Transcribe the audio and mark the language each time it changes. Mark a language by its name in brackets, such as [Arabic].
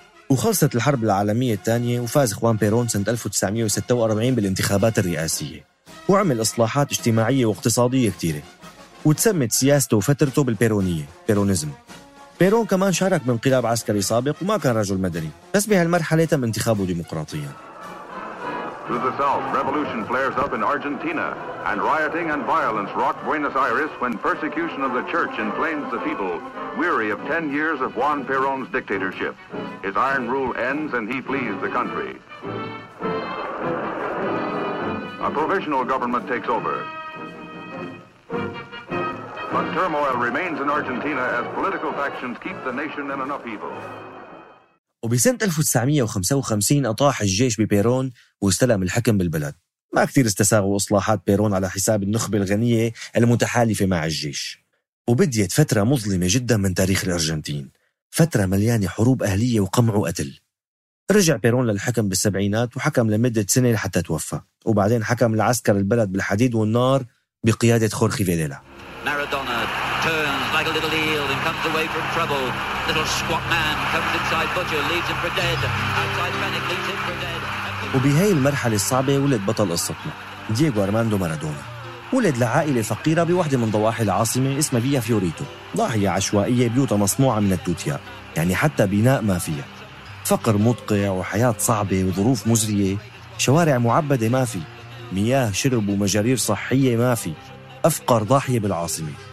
[Arabic] وخلصت الحرب العالمية الثانية وفاز خوان بيرون سنة 1946 بالانتخابات الرئاسية وعمل إصلاحات اجتماعية واقتصادية كثيرة وتسمت سياسته وفترته بالبيرونية بيرونيزم. بيرون كمان شارك بانقلاب عسكري سابق وما كان رجل مدني، بس بهالمرحلة تم انتخابه ديمقراطياً. [English] To the south, revolution flares up in Argentina, and rioting and violence rock Buenos Aires when persecution of the church inflames the people, weary of 10 years of Juan Perón's dictatorship. His iron rule ends and he flees the country. A provisional government takes over. But turmoil remains in Argentina as political factions keep the nation in an upheaval. [Arabic] وبسنة 1955 أطاح الجيش ببيرون واستلم الحكم بالبلد. ما كتير استساغوا إصلاحات بيرون على حساب النخبة الغنية المتحالفة مع الجيش. وبديت فترة مظلمة جدا من تاريخ الأرجنتين. فترة مليانة حروب أهلية وقمع وقتل. رجع بيرون للحكم بالسبعينات وحكم لمدة سنة لحتى توفى. وبعدين حكم العسكر البلد بالحديد والنار بقيادة خورخي فيديلا. [English] مارادونا turns like a little eel and comes away from trouble. Little squat man comes inside butcher, leaves him for dead. Outside panic leaves him for dead. [Arabic] وبهاي المرحلة الصعبة ولد بطل قصتنا دييغو أرماندو مارادونا. ولد لعائلة فقيرة بواحدة من ضواحي العاصمة اسمها فيا فيوريتو، ضاحية عشوائية بيوتها مصنوعة من التوتيا، يعني حتى بناء ما فيها. فقر مدقع وحياة صعبة وظروف مزرية، شوارع معبدة ما في، مياه شرب ومجارير صحية ما في، أفقر ضاحية بالعاصمة.